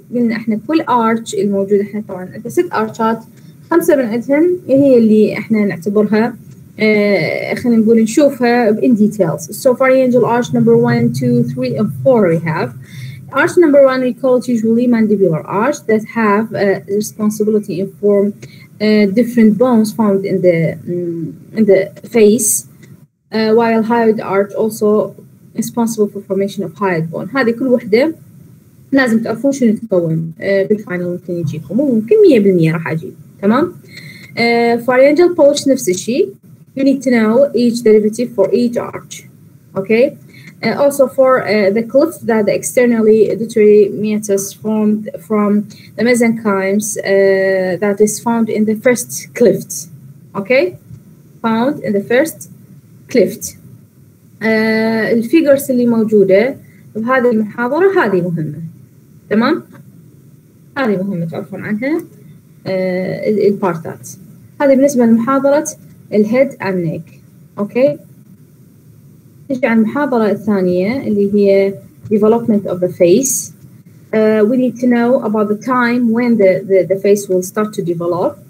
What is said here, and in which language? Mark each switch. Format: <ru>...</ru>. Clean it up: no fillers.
<ar>قلنا إحنا كل arch الموجودة إحنا طبعاً إذا ست arches، خمسة من عندهم هي اللي إحنا نعتبرها خلينا نقول نشوفها</ar> <en>in details. So pharyngeal arch number 1, 2, 3, and 4 we have. Arch number 1 we call it usually mandibular arch that have responsibility in form different bones found in the face. While hyoid arch also responsible for formation of hyoid bone.</en> <ar>هذه كل وحدة لازم تعرفون شنو تكون بالفاينل ممكن يجيكم وممكن 100% راح اجي تمام. Pharyngeal pouch نفس الشيء.</ar> <en>You need to know each derivative for each arch. Okay. Also for the cleft that the externally auditory meatus formed from the mesenchymes that is found in the first cleft. Okay. Found in the first cleft.</en> <ar>الفيجرز اللي موجودة بهذه المحاضرة هذه مهمة تمام؟ هذه مهمة تعرفون عنها البارتات. هذه بالنسبة لمحاضرة الهيد اند نيك. اوكي؟ نجي على المحاضرة الثانية اللي هي</ar> <en>development of the face. We need to know about the time when the face will start to develop.</en>